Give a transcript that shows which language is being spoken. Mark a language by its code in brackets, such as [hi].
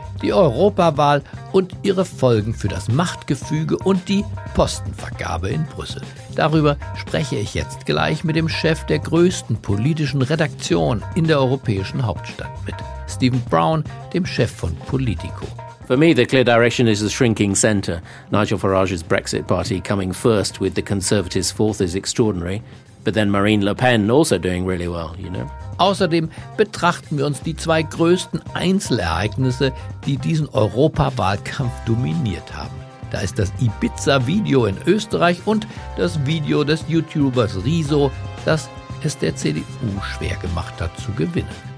[de] Die Europawahl und ihre Folgen für das Machtgefüge und die Postenvergabe in Brüssel. Darüber spreche ich jetzt gleich mit dem Chef der größten politischen Redaktion in der europäischen Hauptstadt, mit Stephen Brown, dem Chef von Politico. [en] For me, the clear direction is a shrinking centre. Nigel Farage's Brexit Party coming first with the Conservatives fourth is extraordinary. But then Marine Le Pen also doing really well, you know. [de] Außerdem betrachten wir uns die zwei größten Einzelereignisse, die diesen Europawahlkampf dominiert haben. Da ist das Ibiza-Video in Österreich und das Video des YouTubers Riso, das es der CDU schwer gemacht hat zu gewinnen.